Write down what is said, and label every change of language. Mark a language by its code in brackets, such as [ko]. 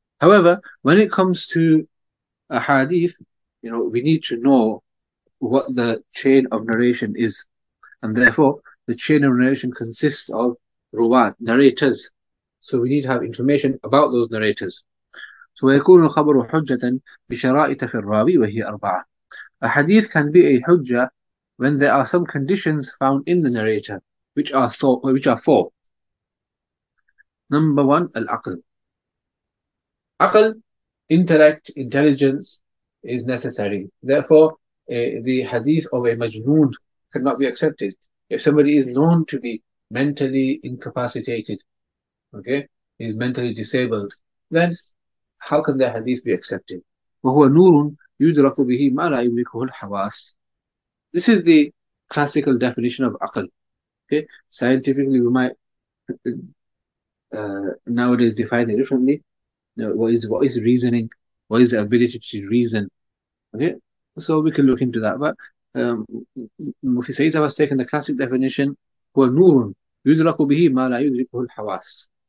[en] However, when it comes to a hadith, we need to know what the chain of narration is. And therefore, the chain of narration consists of ruwat, narrators. So we need to have information about those narrators. [ar] So ويكون الخبر حجة بشرائط في الراوي وهي أربعة. [en] A hadith can be a hujjah when there are some conditions found in the narrator, which are four. Number one, al-aql. Aql, intellect, intelligence is necessary. Therefore, the hadith of a majnoon cannot be accepted. If somebody is known to be mentally incapacitated, okay, is mentally disabled, then how can the hadith be accepted? [ar] وَهُوَ نُورٌ يُدْرَكُ بِهِ مَا لَا يُمْلِكُهُ الْحَوَاسِ [en] This is the classical definition of aql. Okay, scientifically we might nowadays define it differently. What is reasoning? What is the ability to reason? Okay, so we can look into that. But Mufti Saeed has taken the classic definition: [ar] "Huwa nurun yudraku bihi ma la yudrikuhu al-hawas."